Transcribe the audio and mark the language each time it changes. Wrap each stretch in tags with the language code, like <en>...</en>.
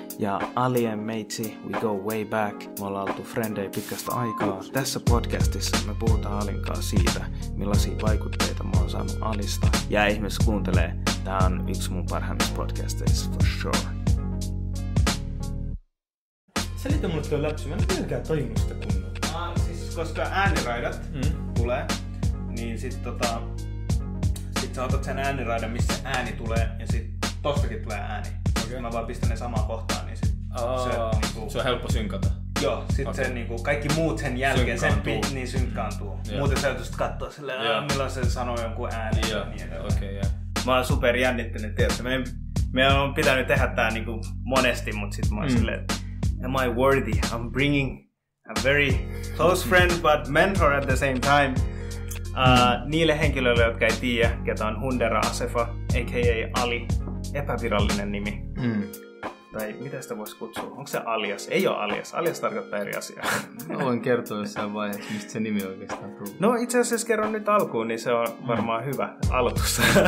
<en>Ja Ali and Meitsi, we go way back.</en> <fi>Me ollaan oltu frendejä pitkästä aikaa. Tässä podcastissa me puhutaan Alinkaa siitä, millaisia vaikutteita mä oon saanut Alista. Ja ihmiset kuuntelee, tämä on yksi mun parhaimmista podcasteista,</fi> <en>for sure.</en> <fi>Selitä mulle tuo läpsy, mä en pelkään tajunnut sitä kunnolla. Siis koska ääniraidat tulee, niin sit sä otat sen ääniraidan, missä ääni tulee, ja sit tostakin tulee ääni. Okay. Mä vaan pistän ne samaan kohtaan, niin sit se on helppo synkata. Joo, sit okay. Sen, niin kuin, kaikki muut sen jälkeen, sen bit, niin synkkaantuu. Yeah. Muuten sä joutuisit katsoa silleen, milloin se sanoo jonkun ääni. Joo, okei, joo. Mä oon super jännittynyt, tietysti. Meidän on pitänyt tehdä tää niinku monesti, mut sit mä oon silleen,</fi> <en>am I worthy? I'm bringing a very close friend, but mentor at the same time.</en> <fi>Niille henkilöille, jotka ei tiedä, ketä on Hundera Assefa, a.k.a. Ali, epävirallinen nimi. Mm. Tai mitä sitä voisi kutsua? Onko se alias? Ei ole alias. Alias tarkoittaa eri asiaa. Mä voin kertoa jossain vaiheessa, mistä se nimi oikeastaan tullut. No itse asiassa kerron nyt alkuun, niin se on varmaan hyvä aloitus.</fi>